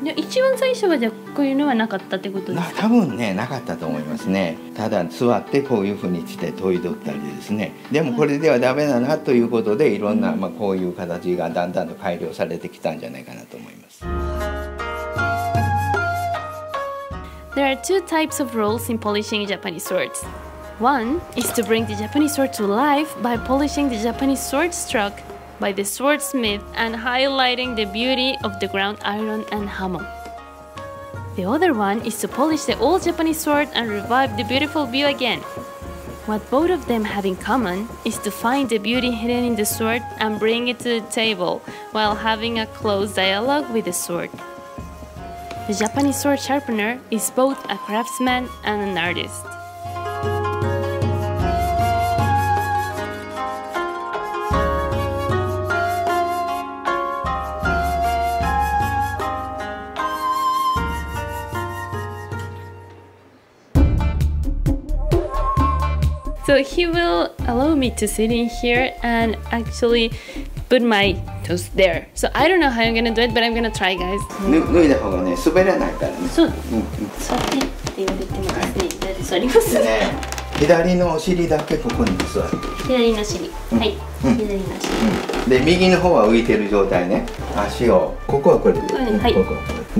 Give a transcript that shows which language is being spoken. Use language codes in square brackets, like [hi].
[ja] じゃあ一番最初はじゃあこういうのはなかったってことですか。多分ね、なかったと思いますね。ただ座ってこういうふうにして研いどったりですね、でもこれではダメだなということで、はい、いろんな、まあ、こういう形がだんだんと改良されてきたんじゃないかなと思います。 [en] There are two types of roles in polishing Japanese swords. One is to bring the Japanese sword to life by polishing the Japanese sword strokeby the swordsmith and highlighting the beauty of the ground iron and hammer. The other one is to polish the old Japanese sword and revive the beautiful view again. What both of them have in common is to find the beauty hidden in the sword and bring it to the table while having a close dialogue with the sword. The Japanese sword sharpener is both a craftsman and an artist. So he will allow me to sit in here and actually put my toes there. So I don't know how I'm gonna do it, but I'm gonna try, guys. [ja] 脱いだ方がね、滑らないからね。そう。座ってって言われてもですね、座ります。左のお尻だけここに座る。左の尻。はい。左の尻。で、右の方は浮いてる状態ね。足を、ここはこれで。はい。